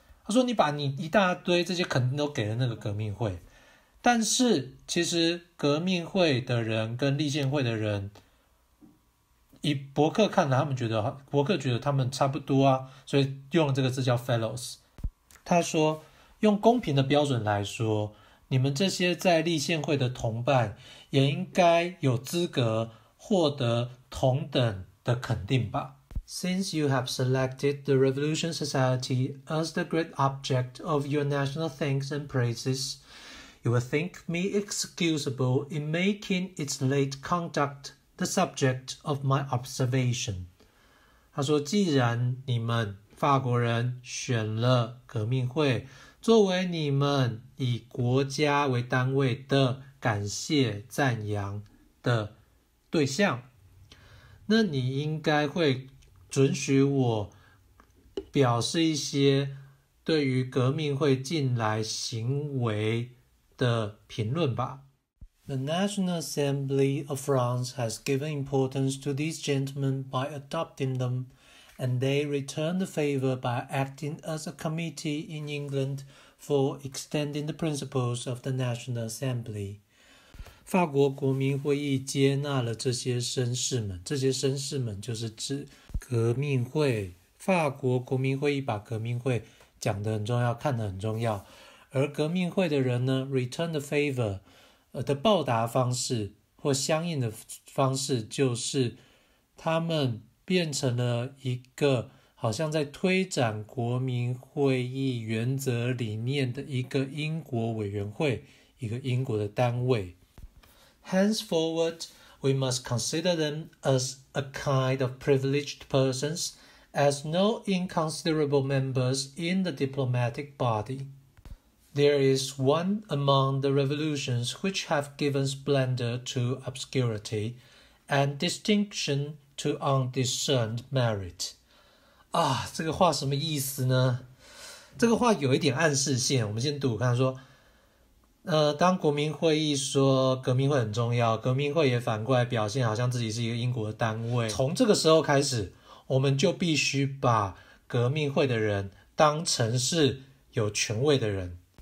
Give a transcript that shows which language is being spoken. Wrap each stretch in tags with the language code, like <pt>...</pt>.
<zh>他说你把你一大堆这些肯定都给了那个革命会，但是其实革命会的人跟立宪会的人，以柏克看来，他们觉得柏克觉得他们差不多啊，所以用这个字叫 Fellows。他说用公平的标准来说，你们这些在立宪会的同伴也应该有资格获得同等的肯定吧。</zh> <en>Since you have selected the Revolution Society as the great object of your national thanks and praises, You will think me excusable in making its late conduct the subject of my observation.</en> <zh>他说，既然你们法国人选了革命会作为你们以国家为单位的感谢赞扬的对象，那你应该会准许我表示一些对于革命会近来行为的评论吧。</zh> <en>The National Assembly of France has given importance to these gentlemen by adopting them, and they return the favor by acting as a committee in England for extending the principles of the National Assembly.</en> <zh>法国国民会议接纳了这些绅士们，这些绅士们就是指革命会。法国国民会议把革命会讲得很重要，看得很重要。而革命会的人呢 ，</zh> <en>return the favor</en> <zh>的报答方式或相应的方式，就是他们变成了一个好像在推展国民会议原则理念的一个英国委员会，一个英国的单位。</zh> <en>Henceforward, we must consider them as a kind of privileged persons, as no inconsiderable members in the diplomatic body. There is one among the revolutions which have given splendor to obscurity and distinction to undiscerned merit.</en> <zh>啊，这个话什么意思呢？这个话有一点暗示性，我们先读看说，当国民会议说革命会很重要，革命会也反过来表现好像自己是一个英国的单位。从这个时候开始，我们就必须把革命会的人当成是有权威的人。</zh>